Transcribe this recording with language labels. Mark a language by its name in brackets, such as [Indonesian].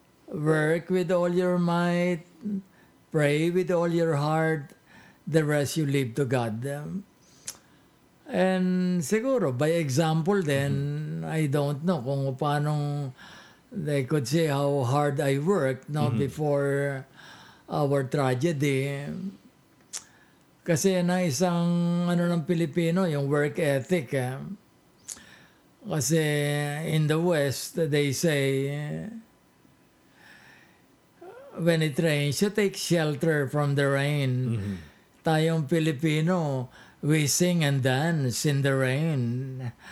[English] Work with all your might, pray with all your heart, the rest you leave to God. And [Filipino] siguro, [English] by example then, mm-hmm. I don't know [Filipino] kung paano [English] they could see how hard I worked, no, mm-hmm. before our tragedy. [Filipino] Kasi yan ang isang ano ng Pilipino, yung [English] work ethic. Eh. Kasi in the West, they say, when it rains, you take shelter from the rain. Mm-hmm. [Filipino] Tayong Pilipino, [English] we sing and dance in the rain.